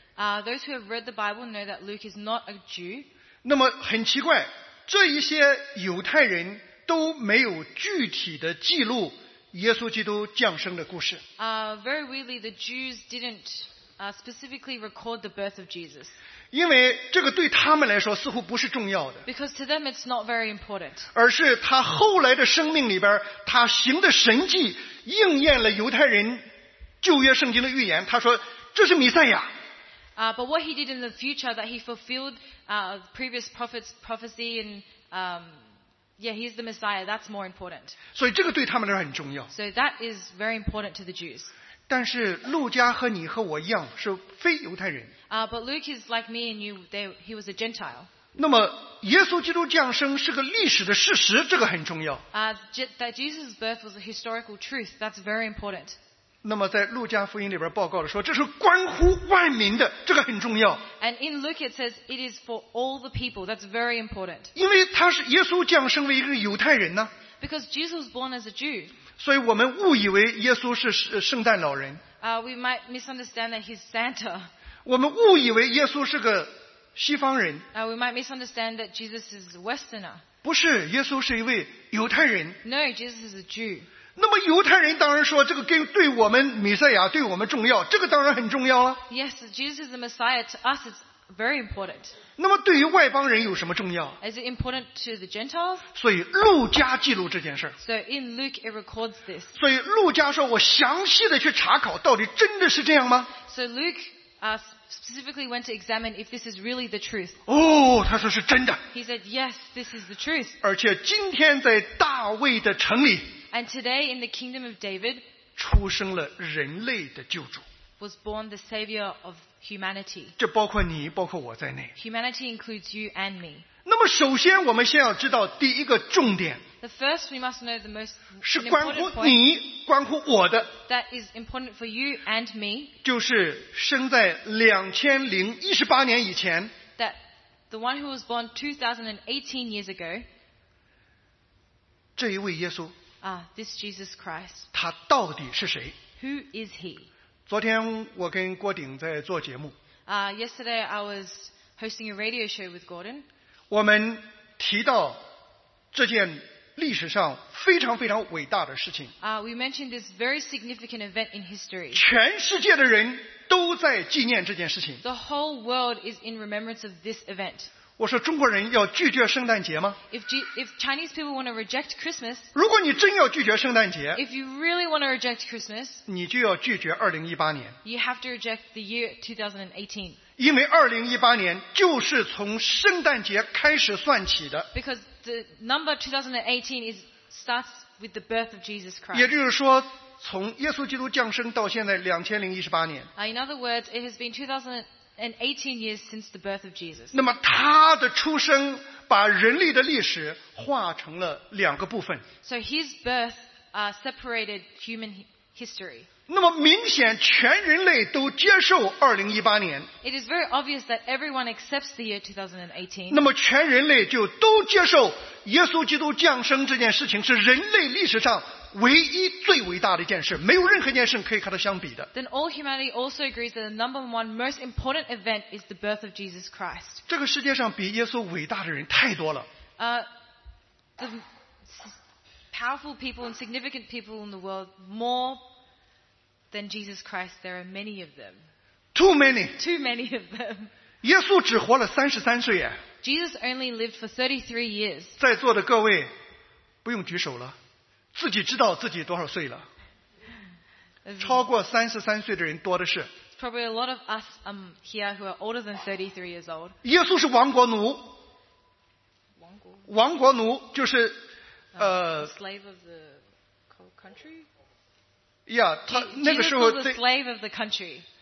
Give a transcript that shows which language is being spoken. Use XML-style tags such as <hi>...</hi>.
<en>Those who have read the Bible know that Luke is not a Jew.</en> <zh>那么很奇怪，这一些犹太人都没有具体的记录耶稣基督降生的故事。</zh> <en>Very weirdly, the Jews didn't. Specifically record the birth of Jesus.</en> <zh>因为这个对他们来说似乎不是重要的。</zh> <en>Because to them it's not very important.</en> <zh>而是他后来的生命里边，他行的神迹应验了犹太人旧约圣经的预言。他说这是弥赛亚。</zh> <en>But what he did in the future that he fulfilled previous prophets' prophecy and he's the Messiah. That's more important.</en> <zh>所以这个对他们来说很重要。</zh> <en>So that is very important to the Jews.</en> <zh>但是路加和你和我一样是非犹太人。</zh> <en>But Luke is like me and you. He was a Gentile.</en> <zh>那么耶稣基督降生是个历史的事实，这个很重要。</zh> <en>That Jesus' birth was a historical truth. That's very important.</en> <zh>那么在路加福音里边报告的说，这是关乎万民的，这个很重要。</zh> <en>And in Luke it says it is for all the people. That's very important.</en> <zh>因为他是耶稣降生为一个犹太人呢。</zh> <en>Because Jesus was born as a Jew.</en> <zh>所以我们误以为耶稣是圣诞老人。</zh> <en>We might misunderstand that he's Santa.</en> <zh>我们误以为耶稣是个西方人。</zh> <en>We might misunderstand that Jesus is a Westerner.</en> <zh>不是，耶稣是一位犹太人。</zh> <en>No, Jesus is a Jew.</en> <zh>那么犹太人当然说这个对我们弥赛亚对我们重要，这个当然很重要了。</zh> <en>Yes, Jesus is the Messiah. To us, it's very important.</en> <zh>那么对于外邦人有什么重要？</zh> <en>Is it important to the Gentiles?</en> <zh>所以路加记录这件事。</zh> <en>So in Luke it records this.</en> <zh>所以路加说我详细的去查考到底真的是这样吗？</zh> <en>So Luke specifically went to examine if this is really the truth.</en> <zh>哦，他说是真的。</zh> <en>He said yes, this is the truth.</en> <zh>而且今天在大卫的城里，</zh> <en>And today in the kingdom of David</en> <zh>出生了人类的救主。</zh> <en>Was born the savior of humanity.</en> <zh>这包括你，包括我在内。</zh> <en>Humanity includes you and me.</en> <zh>那么首先我们先要知道第一个重点。</zh> <en>The first we must know the most important point.</en> <zh>是关乎你，关乎我的。</zh> <en>That is important for you and me.</en> <zh>就是生在2018年以前。</zh> <en>That the one who was born 2018 years ago.</en> <zh>这一位耶稣。</zh> <en>This Jesus Christ.</en> <zh>他到底是谁？</zh> <en>Who is he?</en> <zh>昨天我跟郭鼎在做节目。</zh> <en>Yesterday I was hosting a radio show with Gordon.</en> <zh>我们提到这件历史上非常非常伟大的事情。</zh> <en>We mentioned this very significant event in history.</en> <zh>全世界的人都在纪念这件事情。</zh> <en>The whole world is in remembrance of this event.</en> <zh>我说中国人要拒绝圣诞节吗？</zh> <en>If Chinese people want to reject Christmas,</en> <zh>如果你真要拒绝圣诞节，</zh> <en>if you really want to reject Christmas,</en> <zh>你就要拒绝2018年。</zh> <en>You have to reject the year 2018.</en> <zh>因为2018年就是从圣诞节开始算起的。</zh> <en>Because the number 2018 is starts with the birth of Jesus Christ.</en> <zh>也就是说从耶稣基督降生到现在2018年。</zh> <en>In other words, it has been 2018And 18 years since the birth of Jesus.</en> <zh>那么他的出生把人类的历史划成了两个部分。</zh> <en>So his birth separated human history.</en> <zh>那么明显全人类都接受2018年。</zh> <en>It is very obvious that everyone accepts the year 2018.</en> <zh>那么全人类就都接受耶稣基督降生这件事情是人类历史上唯一最伟大的一件事，没有任何一件事可以和它相比的。</zh> <en>Then all humanity also agrees that the number one most important event is the birth of Jesus Christ.</en> <zh>这个世界上比耶稣伟大的人太多了。</zh> <en>The powerful people and significant people in the world, more than Jesus Christ, there are many of them. Too many. Too many of them.</en> <zh>耶稣只活了33岁耶。</zh> <en>Jesus only lived for 33 years.</en> <zh>在座的各位不用举手了。自己知道自己多少岁了，超过33岁的人多的是。</zh> <en>Probably a lot of us here who are older than 33 years old.</en> <zh>耶稣是亡国奴。亡国奴就是</zh> <en>slave of the country.</en> <zh>Yeah, 他那个时候</zh> <en>是 slave of the country.</en>